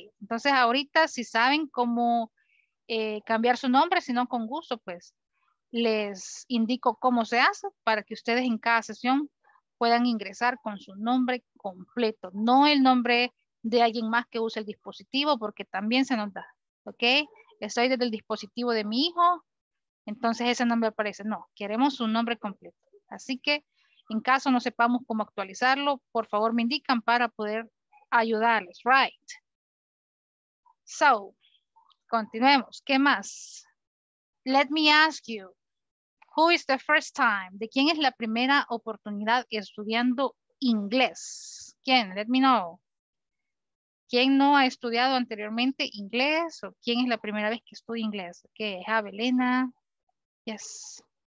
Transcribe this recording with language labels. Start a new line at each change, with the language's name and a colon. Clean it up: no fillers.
Spanish: Entonces ahorita si saben cómo cambiar su nombre, si no, con gusto, pues les indico cómo se hace para que ustedes en cada sesión puedan ingresar con su nombre completo, no el nombre de alguien más que use el dispositivo, porque también se nos da, ¿ok? Estoy desde el dispositivo de mi hijo, entonces ese nombre aparece. No, queremos su nombre completo. Así que, en caso no sepamos cómo actualizarlo, por favor me indican para poder ayudarles, right? So, continuemos. ¿Qué más?
English: Let me ask you, who is the first time?
Spanish: ¿De quién es la primera oportunidad estudiando inglés? ¿Quién?
English: Let me know.
Spanish: ¿Quién no ha estudiado anteriormente inglés? ¿O quién es la primera vez que estudia inglés? ¿Qué? Okay, Abelena. Yes.